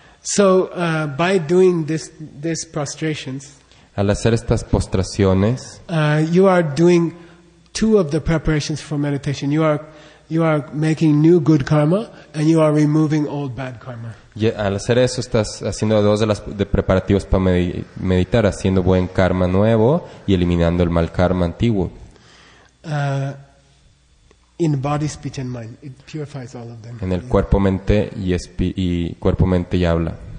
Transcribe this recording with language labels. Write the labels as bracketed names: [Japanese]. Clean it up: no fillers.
[English] So by doing this prostrations. [Spanish] Al hacer estas postraciones, [English] You are doing two of the preparations for meditation. You are making new good karma and you are removing old bad karma. [Spanish] Y al hacer eso estás haciendo dos de las de preparativos para meditar, haciendo buen karma nuevo y eliminando el mal karma antiguo. [English] In body, speech and mind, it purifies all of them. [Spanish] En el cuerpo, mente y cuerpo, mente y habla.